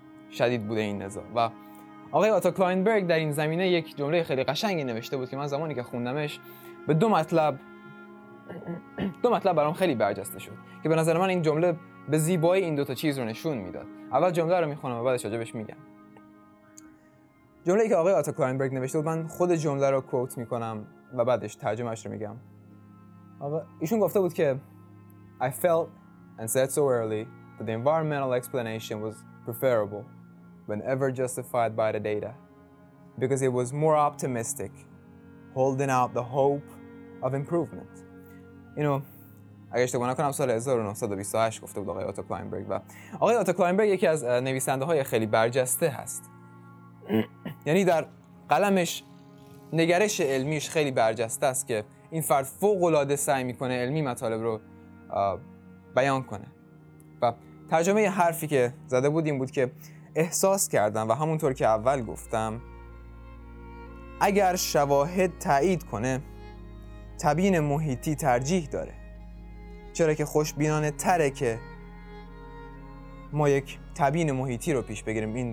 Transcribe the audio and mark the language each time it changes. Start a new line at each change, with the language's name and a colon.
Persian: شدید بوده این نزاع و آقای آتو کلاینبرگ در این زمینه یک جمله خیلی قشنگی نوشته بود که من زمانی که خوندمش به دو مطلب برام خیلی برجسته شد که به نظر من این جمله به زیبایی این دو تا چیز رو نشون میداد. اول جمله رو میخونم و بعدش راجبش میگم. جمله‌ای که آقای آتو کلاینبرگ نوشته بود، من خود جمله رو کوت میکنم و بعدش ترجمه‌اش رو میگم. ایشون گفته بود که
English: I felt and said so early that the environmental explanation was preferable whenever justified by the data because it was more optimistic holding out the hope of improvement.
Persian: اینو اگه اشتباه نکنم سال 1928 گفته بود آقای آتو کلاینبرگ و آقای آتو کلاینبرگ یکی از نویسنده های خیلی برجسته هست. یعنی در قلمش نگرش علمیش خیلی برجسته است که این فرد فوق‌العاده سعی میکنه علمی مطالب رو بیان کنه و ترجمه یه حرفی که زده بود این بود که احساس کردم و همونطور که اول گفتم اگر شواهد تایید کنه تبیین محیطی ترجیح داره، چرا که خوشبینانه تره که ما یک تبیین محیطی رو پیش بگیریم.